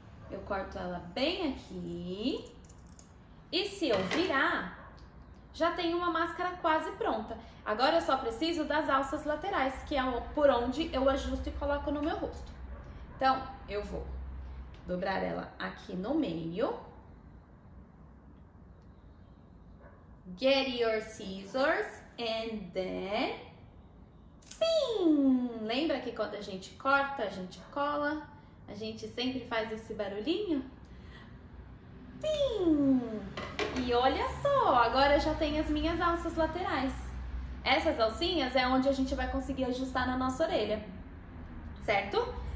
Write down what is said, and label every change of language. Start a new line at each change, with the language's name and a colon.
Portuguese: Eu corto ela bem aqui e se eu virar, já tem uma máscara quase pronta. Agora eu só preciso das alças laterais, que é por onde eu ajusto e coloco no meu rosto. Então, eu vou dobrar ela aqui no meio.
English: Get your scissors and then...
Portuguese: Pim! Lembra que quando a gente corta, a gente cola? A gente sempre faz esse barulhinho? Pim! E olha só, agora já tem as minhas alças laterais. Essas alcinhas é onde a gente vai conseguir ajustar na nossa orelha, certo?